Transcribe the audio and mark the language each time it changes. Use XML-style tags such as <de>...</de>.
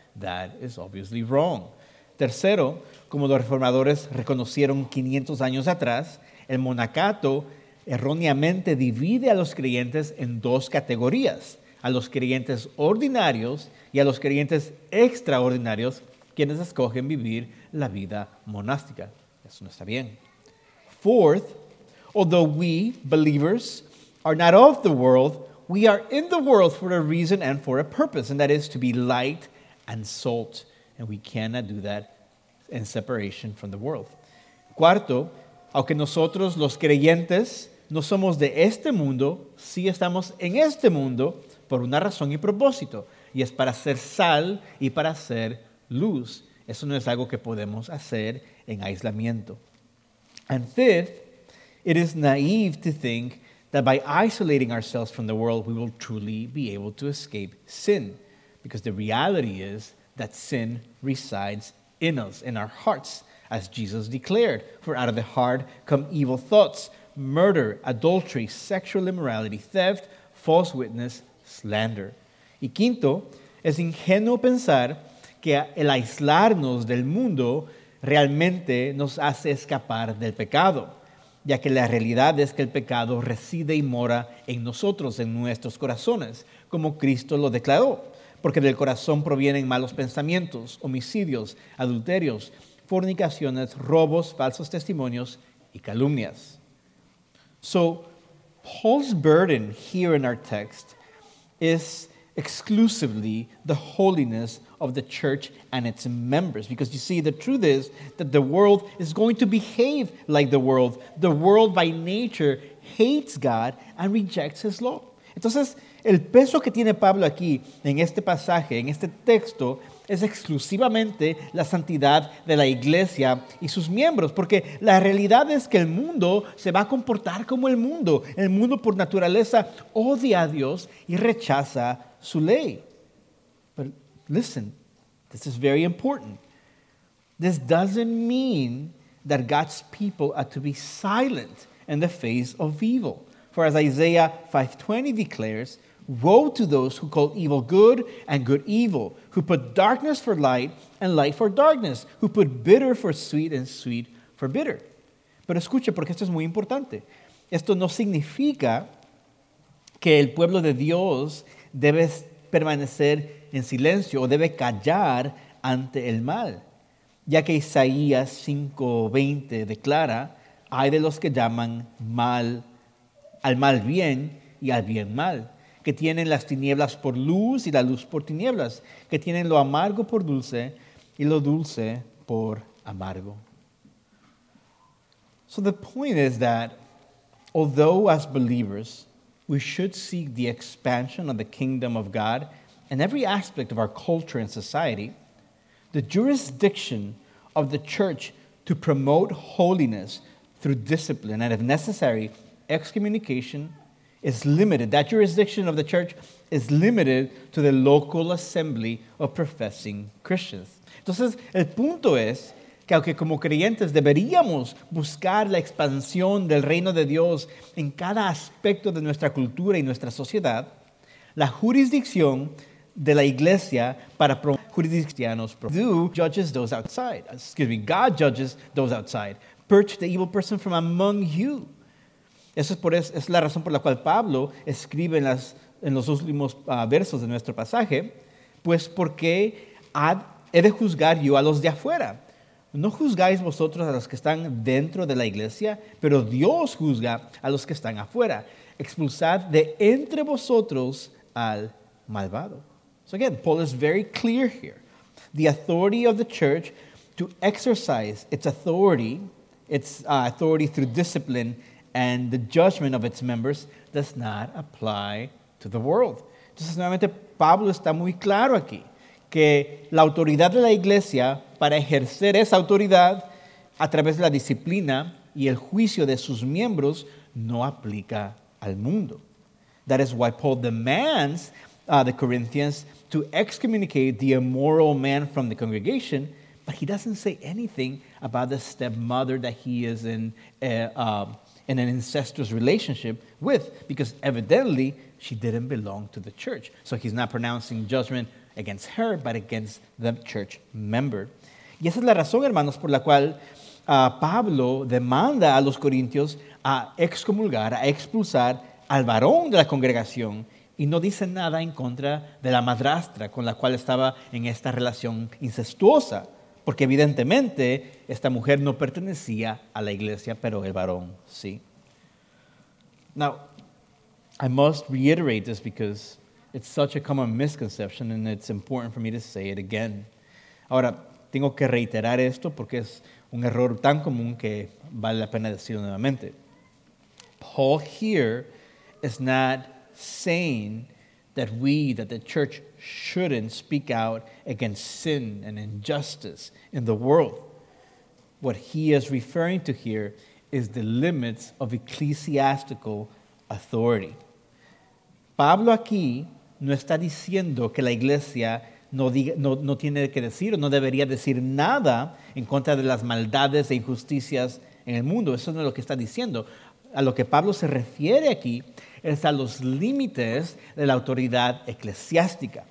<en>That is obviously wrong.</en> <es>Tercero, como los reformadores reconocieron 500 años atrás, el monacato erróneamente divide a los creyentes en dos categorías, a los creyentes ordinarios y a los creyentes extraordinarios, quienes escogen vivir la vida monástica. Eso no está bien.</es> <en>Fourth, although we, believers, are not of the world, we are in the world for a reason and for a purpose, and that is to be light and salt, and we cannot do that and separation from the world.</en> <es>Cuarto, aunque nosotros los creyentes no somos de este mundo, sí estamos en este mundo por una razón y propósito, y es para ser sal y para ser luz. Eso no es algo que podemos hacer en aislamiento.</es> <en>And fifth, it is naive to think that by isolating ourselves from the world, we will truly be able to escape sin, because the reality is that sin resides in us, in our hearts, as Jesus declared, for out of the heart come evil thoughts, murder, adultery, sexual immorality, theft, false witness, slander.</en> <es>Y quinto, es ingenuo pensar que el aislarnos del mundo realmente nos hace escapar del pecado, ya que la realidad es que el pecado reside y mora en nosotros, en nuestros corazones, como Cristo lo declaró, porque del corazón provienen malos pensamientos, homicidios, adulterios, fornicaciones, robos, falsos testimonios y calumnias.</es> <en>So, Paul's burden here in our text is exclusively the holiness of the church and its members. Because you see, the truth is that the world is going to behave like the world. The world by nature hates God and rejects his law.</en> <es>Entonces, el peso que tiene Pablo aquí, en este pasaje, en este texto, es exclusivamente la santidad de la iglesia y sus miembros. Porque la realidad es que el mundo se va a comportar como el mundo. El mundo por naturaleza odia a Dios y rechaza su ley.</es> <en>But listen, this is very important. This doesn't mean that God's people are to be silent in the face of evil. For as Isaiah 5:20 declares, "Woe to those who call evil good and good evil, who put darkness for light and light for darkness, who put bitter for sweet and sweet for bitter."</en> <es>Pero escucha, porque esto es muy importante. Esto no significa que el pueblo de Dios debe permanecer en silencio o debe callar ante el mal, ya que Isaías 5:20 declara, "Hay de los que llaman mal al mal bien y al bien mal, que tienen las tinieblas por luz y la luz por tinieblas, que tienen lo amargo por dulce y lo dulce por amargo."</es> <en>So the point is that although as believers we should seek the expansion of the kingdom of God in every aspect of our culture and society, the jurisdiction of the church to promote holiness through discipline and, if necessary, excommunication is limited. That jurisdiction of the church is limited to the local assembly of professing Christians.</en> <es>Entonces, el punto es que aunque como creyentes deberíamos buscar la expansión del reino de Dios en cada aspecto de nuestra cultura y nuestra sociedad, la jurisdicción de la iglesia para jurisdiccionos</es> <en>judges those outside. Excuse me, God judges those outside. Purge the evil person from among you.</en> <es>Esa es la razón por la cual Pablo escribe en los últimos versos de nuestro pasaje, pues porque he de juzgar yo a los de afuera. No juzgáis vosotros a los que están dentro de la iglesia, pero Dios juzga a los que están afuera. Expulsad de entre vosotros al malvado.</es> <en>So again, Paul is very clear here. The authority of the church to exercise its authority through discipline and the judgment of its members does not apply to the world.</en> <es>Entonces, nuevamente, Pablo está muy claro aquí que la autoridad de la iglesia para ejercer esa autoridad a través de la disciplina y el juicio de sus miembros no aplica al mundo.</es> <en>That is why Paul demands the Corinthians to excommunicate the immoral man from the congregation, but he doesn't say anything about the stepmother that he is in an incestuous relationship with, because evidently she didn't belong to the church. So he's not pronouncing judgment against her, but against the church member.</en> <es>Y esa es la razón, hermanos, por la cual Pablo demanda a los corintios a excomulgar, a expulsar al varón de la congregación, y no dice nada en contra de la madrastra con la cual estaba en esta relación incestuosa, porque evidentemente esta mujer no pertenecía a la iglesia, pero el varón sí.</es> <en>Now, I must reiterate this because it's such a common misconception and it's important for me to say it again.</en> <es>Ahora, tengo que reiterar esto porque es un error tan común que vale la pena decirlo nuevamente.</es> <en>Paul here is not saying that we, that the church, shouldn't speak out against sin and injustice in the world. What he is referring to here is the limits of ecclesiastical authority.</en> <es>Pablo aquí no está diciendo que la iglesia no tiene que decir o no debería decir nada en contra de las maldades e injusticias en el mundo. Eso no es lo que está diciendo. A lo que Pablo se refiere aquí es a los límites de la autoridad eclesiástica.</es>